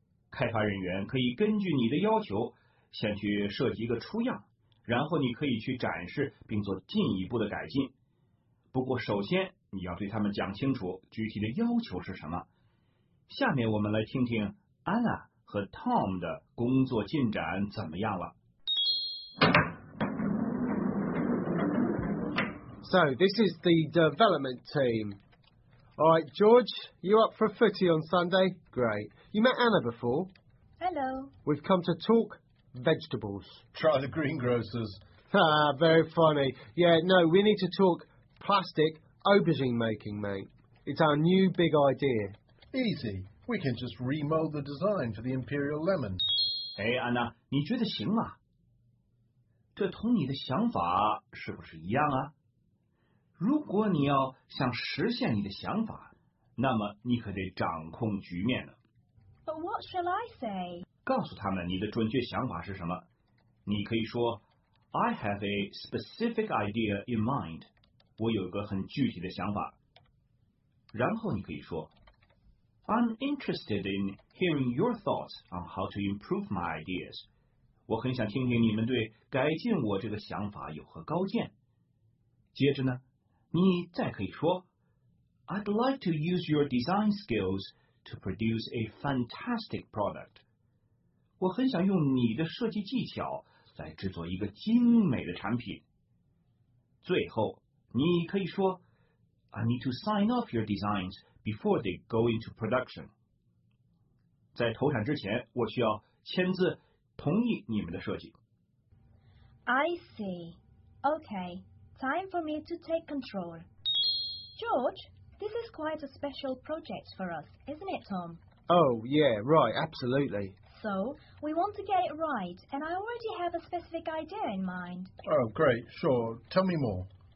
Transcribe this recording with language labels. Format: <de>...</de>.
<zh>开发人员可以根据你的要求，先去设计一个初样，然后你可以去展示并做进一步的改进。不过首先你要对他们讲清楚具体的要求是什么。下面我们来听听 Anna 和 Tom 的工作进展怎么样了。</zh> <en>So, this is the development team. All right, George, you up for footy on Sunday? Great. You met Anna before? Hello. We've come to talk vegetables. Try the greengrocers. Ah, very funny. Yeah, no, we need to talk plastic aubergine making, mate. It's our new big idea. Easy. We can just remold the design for the imperial lemon.</en> <zh>Hey, Anna, 你觉得行吗？这同你的想法是不是一样啊？如果你要想实现你的想法，那么你可得掌控局面了。</zh> <en>But what shall I say?</en> <zh>告诉他们你的准确想法是什么。你可以说</zh> <en>I have a specific idea in mind.</en> <zh>我有个很具体的想法。然后你可以说</zh> <en>I'm interested in hearing your thoughts on how to improve my ideas.</en> <zh>我很想听听你们对改进我这个想法有何高见。接着呢你再可以说</zh> <en>I'd like to use your design skills to produce a fantastic product.</en> <zh>我很想用你的设计技巧来制作一个精美的产品。最后你可以说</zh> <en>I need to sign off your designs before they go into production.</en> <zh>在投产之前我需要签字同意你们的设计。</zh> <en>I see. Okay. Time for me to take control. George, this is quite a special project for us, isn't it, Tom? Oh, yeah, right, absolutely. So, we want to get it right, and I already have a specific idea in mind. Oh, great, sure. Tell me more.</en>